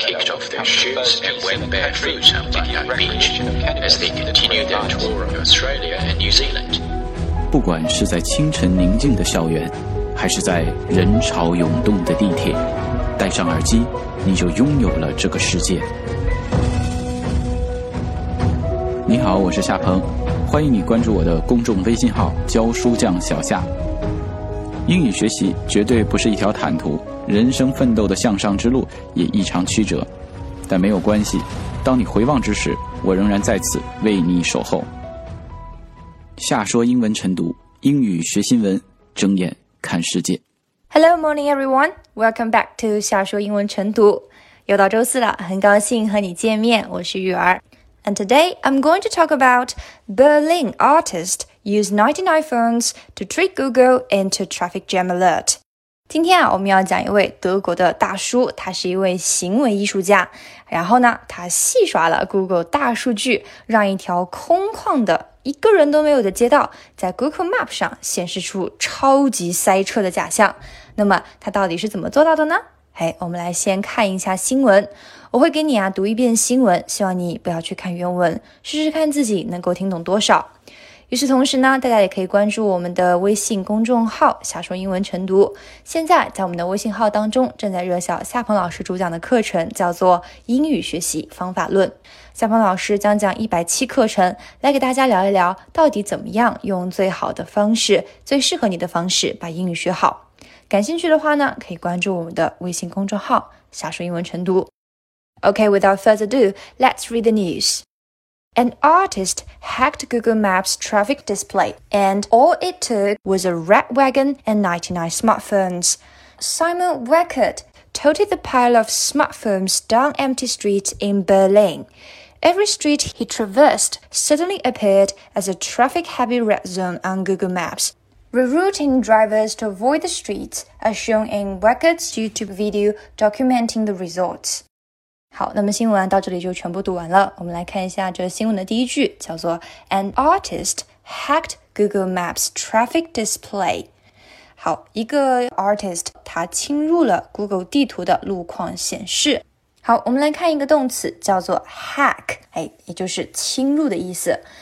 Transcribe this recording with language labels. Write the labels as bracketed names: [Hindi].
[English] kicked off their shoes and went barefoot on the beach as they continued their tour of Australia and New Zealand. [Chinese] 不管是在清晨宁静的校园，还是在人潮涌动的地铁，戴上耳机，你就拥有了这个世界。你好，我是夏鹏，欢迎你关注我的公众微信号教书匠小夏。英语学习绝对不是一条坦途，人生奋斗的向上之路也异常曲折，但没有关系，当你回望之时，我仍然在此为你守候。夏说英文晨读，英语学新闻，睁眼看世界。 [English] Hello morning everyone, welcome back to 夏说英文晨读。 [Chinese] 又到周四了，很高兴和你见面，我是玉儿。 [English] And today, I'm going to talk about Berlin artists use 99 phones to trick Google into traffic jam alert. [Chinese] 今天啊，我们要讲一位德国的大叔，他是一位行为艺术家。然后呢，他戏耍了 Google 大数据，让一条空旷的一个人都没有的街道在 Google Map 上显示出超级塞车的假象。那么，他到底是怎么做到的呢？哎，我们来先看一下新闻。我会给你啊读一遍新闻，希望你不要去看原文，试试看自己能够听懂多少。与此同时呢，大家也可以关注我们的微信公众号夏说英文晨读。现在在我们的微信号当中正在热销夏鹏老师主讲的课程，叫做英语学习方法论。夏鹏老师将讲107课程，来给大家聊一聊到底怎么样用最好的方式，最适合你的方式把英语学好。感兴趣的话呢，可以关注我们的微信公众号夏说英文晨读。 [English] Okay, without further ado, let's read the news. An artist hacked Google Maps traffic display, and all it took was a red wagon and 99 smartphones. Simon Weckert toted the pile of smartphones down empty streets in Berlin. Every street he traversed suddenly appeared as a traffic-heavy red zone on Google Maps. Rerouting drivers to avoid the streets, as shown in Weckert's YouTube video documenting the results. [Chinese] 好，那么新闻到这里就全部读完了。我们来看一下这新闻的第一句，叫做 [English] An artist hacked Google Maps traffic display. [Chinese] 好，一个 artist 他侵入了 Google 地图的路况显示。好，我们来看一个动词，叫做 hack， 哎，也就是侵入的意思。